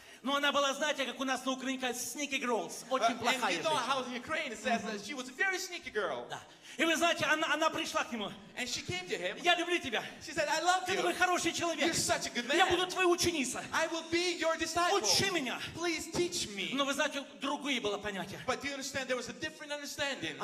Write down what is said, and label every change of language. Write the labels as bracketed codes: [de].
[ru] Но она была, знаете, как у нас на Украине говорят, [en] sneaky girls, [ru] очень плохая женщина. [en] And you know how in Ukraine it says that she was a very sneaky girl. [ru] Да. И вы знаете, она пришла к нему. [en] And she came to him. [ru] Я люблю тебя. [en] She said, I love you. [ru] Ты такой хороший человек. [en] You're such a good man. [ru] Я буду твоей ученицей. [en] I will be your disciple. [ru] Учи меня. [en] Please teach me. [ru] Но вы знаете, другое было понятие. [en] But do you understand there was a different understanding?